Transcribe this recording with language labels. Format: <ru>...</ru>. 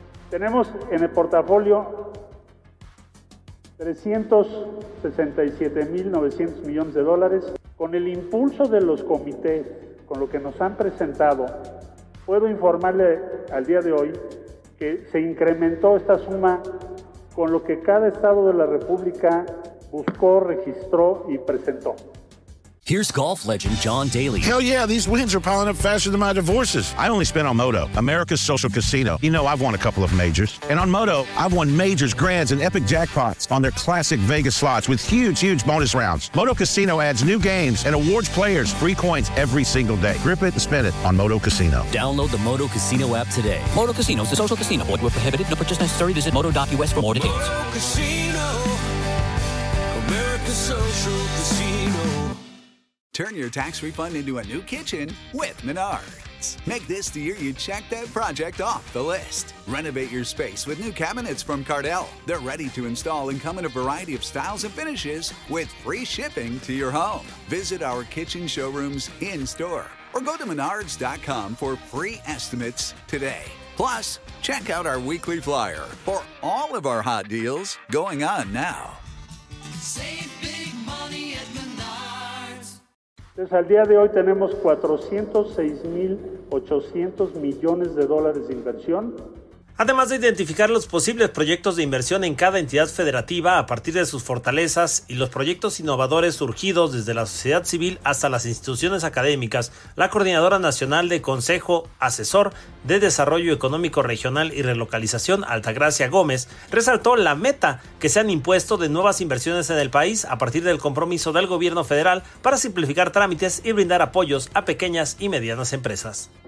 <es>Tenemos en el portafolio 367.900 millones de dólares. Con el impulso de los comités, con lo que nos han presentado, puedo informarle al día de hoy que se incrementó esta suma con lo que cada estado de la República buscó, registró y presentó.</es> <en>Here's golf legend John Daly. Hell yeah, these wins are piling up faster than my divorces. I only spent on Moto, America's social casino. You know I've won a couple of majors. And on Moto, I've won majors, grands, and epic jackpots on their classic Vegas slots with huge, huge bonus rounds. Moto Casino adds new games and awards players free coins every single day. Grip it and spin it on Moto Casino. Download the Moto Casino app today. Moto Casino is a social casino. Void where prohibited. No purchase necessary. Visit Moto.us for more details. Moto Casino, America's social casino. Turn your tax refund into a new kitchen with Menards. Make this the year you check that project off the list. Renovate your space with new cabinets from Cardell. They're ready to install and come in a variety of styles and finishes with free shipping to your home. Visit our kitchen showrooms in-store or go to Menards.com for free estimates today. Plus, check out our weekly flyer for all of our hot deals going on now. Save big money at Menards.</en> <es>Entonces, al día de hoy tenemos 406.800 millones de dólares de inversión. Además de identificar los posibles proyectos de inversión en cada entidad federativa a partir de sus fortalezas y los proyectos innovadores surgidos desde la sociedad civil hasta las instituciones académicas, la Coordinadora Nacional de Consejo Asesor de Desarrollo Económico Regional y Relocalización, Altagracia Gómez, resaltó la meta que se han impuesto de nuevas inversiones en el país a partir del compromiso del gobierno federal para simplificar trámites y brindar apoyos a pequeñas y medianas empresas.</es>